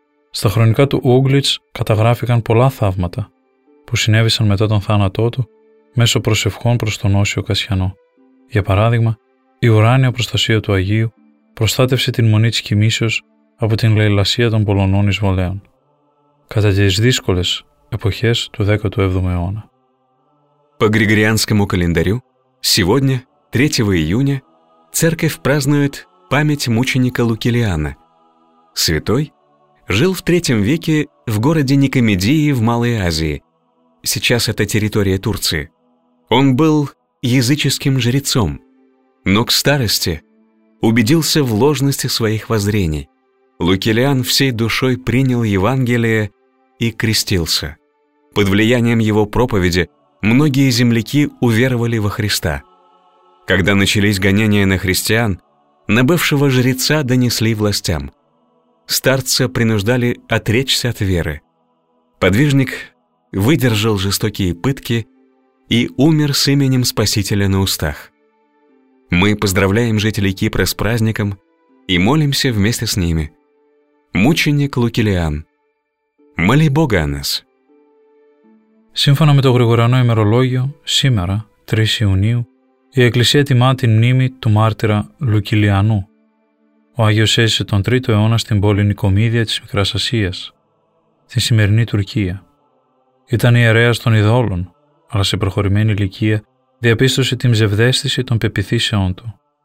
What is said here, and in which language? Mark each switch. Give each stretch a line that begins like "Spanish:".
Greek: Στα χρονικά του Ούγκλιτς καταγράφηκαν πολλά θαύματα που συνέβησαν μετά τον θάνατό του μέσω προσευχών προς τον Όσιο Κασιανό. Για παράδειγμα, η ουράνια προστασία του Αγίου προστάτευσε την Μονή της Κοιμήσεως από την λαιλασία των Πολωνών εισβολέων κατά τις δύσκολες εποχές του 17ου αιώνα.
Russian: По григорианскому календарю сегодня, 3 июня, церковь празднует память мученика Лукилиана. Святой жил в III веке в городе Никомедии в Малой Азии. Сейчас это территория Турции. Он был языческим жрецом, но к старости убедился в ложности своих воззрений. Лукилиан всей душой принял Евангелие и крестился. Под влиянием его проповеди многие земляки уверовали во Христа. Когда начались гонения на христиан, на бывшего жреца донесли властям. Старца принуждали отречься от веры. Подвижник выдержал жестокие пытки и умер с именем Спасителя на устах. Мы поздравляем жителей Кипра с праздником и молимся вместе с ними. Мученик Лукилиан, моли Бога о нас.
Greek: Σύμφωνα με το Γρηγοριανό ημερολόγιο, σήμερα, 3 Ιουνίου, η Εκκλησία τιμά την μνήμη του μάρτυρα Λουκιλιανού. Ο Άγιος έζησε τον 3ο αιώνα στην πόλη Νικομίδια της Μικράς Ασίας, στη σημερινή Τουρκία. Ήταν ιερέας των ειδώλων, αλλά σε προχωρημένη ηλικία διαπίστωσε την ψευδαίσθηση των πεποιθήσεών του.